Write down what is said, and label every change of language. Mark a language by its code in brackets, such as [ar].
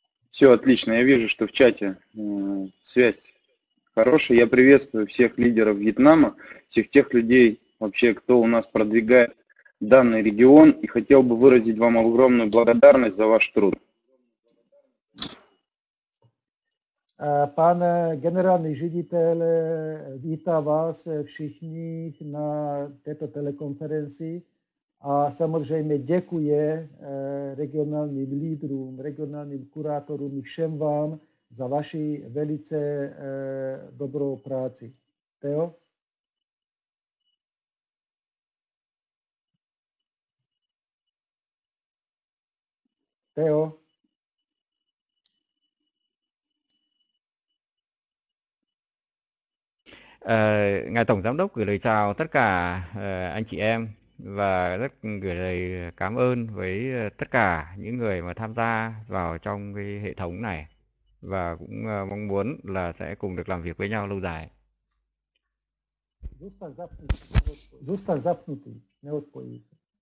[ru] Все отлично. Я вижу, что в чате связь хорошая. Я приветствую всех лидеров Вьетнама, всех тех людей вообще, кто у нас продвигает данный регион, и хотел бы выразить вам огромную благодарность за ваш труд. [cs] Pane generální ředitele, vítám vás všichni na této telekonferenci a samozřejmě děkuji regionálním lídrům, regionálním kurátorům i všem vám za vaši velice dobrou práci. Teo? Teo? [vi] Ngài Tổng Giám đốc gửi lời chào tất cả anh chị em. Và rất gửi lời cảm ơn với tất cả những người mà tham gia vào trong cái hệ thống này, và cũng mong muốn là sẽ cùng được làm việc với nhau lâu dài. [cs] Zůstaň zapnutý, neodpojí se.